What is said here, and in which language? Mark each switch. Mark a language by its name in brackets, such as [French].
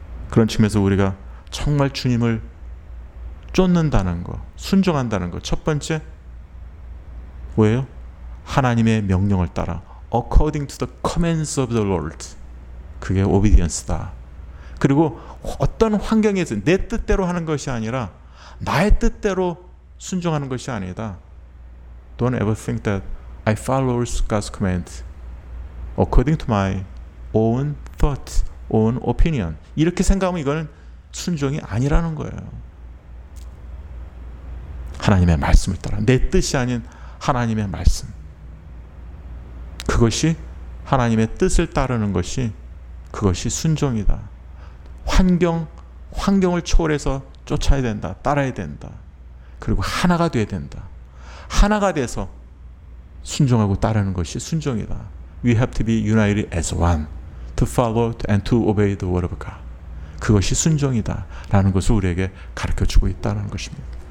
[Korean] 그런 측면에서 우리가 정말 주님을 쫓는다는 거, 순종한다는 거, 첫 번째 뭐예요? 하나님의 명령을 따라 [English] according to the commands of the Lord. [Korean] 그게 obedience다. 그리고 어떤 환경에서 내 뜻대로 하는 것이 아니라 나의 뜻대로 순종하는 것이 아니다. [English] Don't ever think that I follow God's command according to my own thought, own opinion. [Korean] 이렇게 생각하면 이건 순종이 아니라는 거예요. 하나님의 말씀을 따라 내 뜻이 아닌 하나님의 말씀, 그것이 하나님의 뜻을 따르는 것이 그것이 순종이다. 환경을 초월해서 쫓아야 된다. 따라야 된다. 그리고 하나가 돼야 된다. 하나가 돼서 순종하고 따르는 것이 순종이다. [English] We have to be united as one to follow and to obey the word of God. [Korean] 그것이 순종이다 라는 것을 우리에게 가르쳐주고 있다는 것입니다.